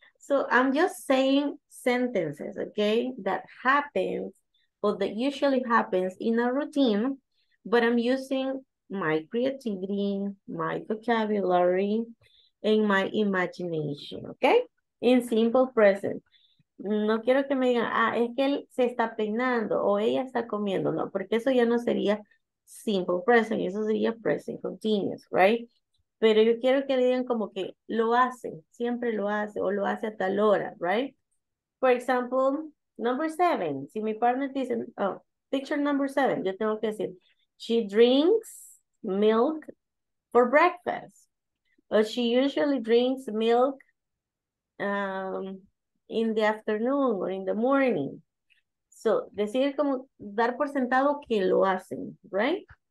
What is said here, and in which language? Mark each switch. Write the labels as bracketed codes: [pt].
[en] So I'm just saying sentences, okay, that happens. Well, that usually happens in a routine, but I'm using my creativity, my vocabulary, and my imagination, okay? In simple present. [es] No quiero que me digan, ah, es que él se está peinando o ella está comiendo, no, porque eso ya no sería simple present, eso sería present continuous, [en] right? [es] Pero yo quiero que digan como que lo hace, siempre lo hace o lo hace a tal hora, [en] right? For example, number 7, [es] si mi partner dice, [en] oh, picture number 7, [es] yo tengo que decir, [en] she drinks milk for breakfast. Or she usually drinks milk in the afternoon or in the morning. So, [es] decir como dar por sentado que lo hacen, [en] right?